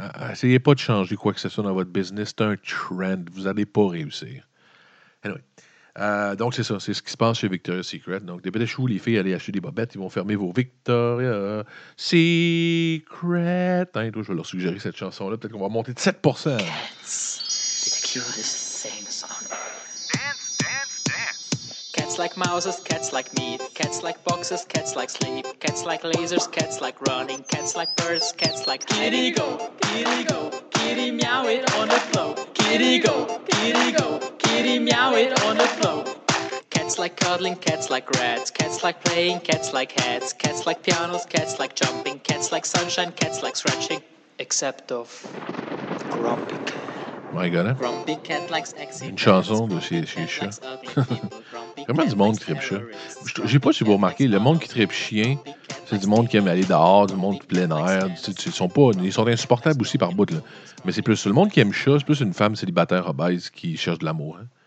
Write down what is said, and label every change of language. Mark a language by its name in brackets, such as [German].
[French] Essayez pas de changer quoi que ce soit dans votre business. C'est un trend. Vous n'allez pas réussir. Anyway. Donc, c'est ça. C'est ce qui se passe chez Victoria's Secret. Donc, dépêchez-vous, les filles, allez acheter des bobettes. Ils vont fermer vos Victoria's Secret. Hein, toi, je vais leur suggérer cette chanson-là. Peut-être qu'on va monter de 7%. [English] Dance. Cats. The cutest thing on earth. Cats like mouses, cats like meat. Cats like boxes, cats like sleep. Cats like lasers, cats like running. Cats like birds, cats like kitty hiding. Go, kitty go, kitty meow it on the floor. Kitty go, kitty go, kitty meow it on the floor. Cats like cuddling, cats like rats. Cats like playing, cats like hats. Cats like pianos, cats like jumping. Cats like sunshine, cats like scratching. Except of grumpy cats. My God, hein? [French] Une chanson de chez Chat. Vraiment du monde qui tripe chat. Je sais pas si vous remarquez, le monde qui tripe chien, c'est du monde qui aime aller dehors, du monde plein air. Ils sont insupportables aussi par bout. Là. Mais c'est plus le monde qui aime chat, c'est plus une femme célibataire obèse qui cherche de l'amour. Hein?